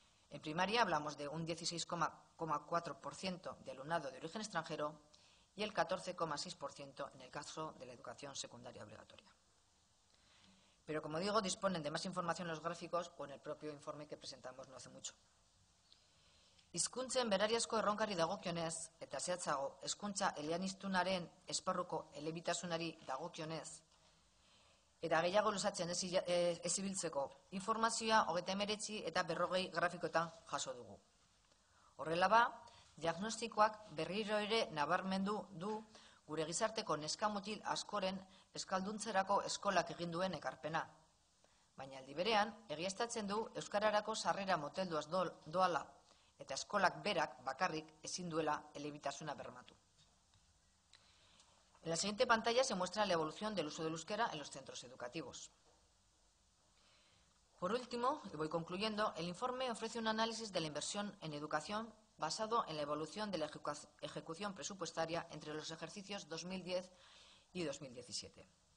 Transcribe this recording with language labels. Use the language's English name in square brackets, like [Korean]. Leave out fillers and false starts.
[Spanish] En primaria hablamos de un 16,4% de alumnado de origen extranjero y el 14,6% en el caso de la educación secundaria obligatoria. Pero, como digo, disponen de más información en los gráficos o en el propio informe que presentamos no hace mucho. [Basque] Hizkuntzen berariazko erronkari dagokionez, eta zehatzago, hezkuntza eleaniztunaren esparruko elebitasunari dagokionez, eta gehiago luzatzen ez ibiltzeko, informazioa 39 eta 40 grafikoetan jaso dugu. Horrela ba, diagnostikoak berriro ere nabarmendu du gure gizarteko neskamutil askoren eskalduntzerako eskolak egin duen ekarpena. Baina aldi berean, egiaztatzen du euskararako sarrera motelduaz doala, eta eskolak berak bakarrik ezin duela elebitasuna bermatu. [Spanish] En la siguiente pantalla se muestra la evolución del uso del euskera en los centros educativos. Por último, y voy concluyendo, el informe ofrece un análisis de la inversión en educación basado en la evolución de la ejecución presupuestaria entre los ejercicios 2010 y 2017.